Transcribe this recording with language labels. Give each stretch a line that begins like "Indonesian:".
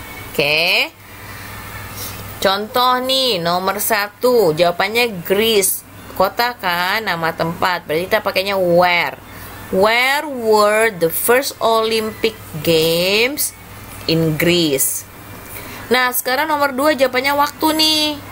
Indonesian: Oke. Contoh nih, nomor 1, jawabannya Greece. Kota kan, nama tempat, berarti kita pakainya where.
English: Where were the first Olympic Games in Greece?
Indonesian: Nah, sekarang nomor 2 jawabannya waktu nih.